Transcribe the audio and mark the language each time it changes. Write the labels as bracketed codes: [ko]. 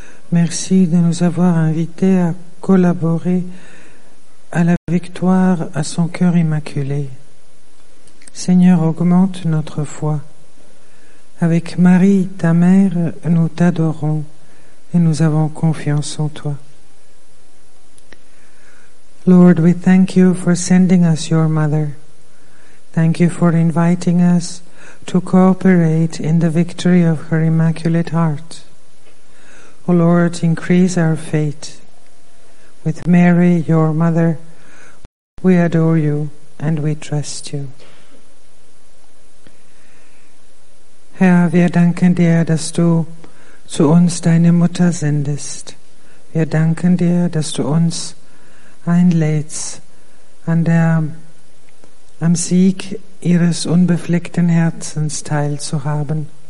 [fr] Merci de nous avoir invité a collaborer à la victoire à son cœur immaculé. Seigneur, augmente notre foi. Avec Marie, ta mère, nous t'adorons et nous avons confiance en toi. [en] Lord, we thank you for sending us your mother. Thank you for inviting us to cooperate in the victory of her immaculate heart. O Lord, increase our faith. With Mary, your mother, we adore you and we trust you. [de] Herr, wir danken dir, dass du zu uns deine Mutter sendest. Wir danken dir, dass du uns einlädst am Sieg ihres unbefleckten Herzens teilzuhaben.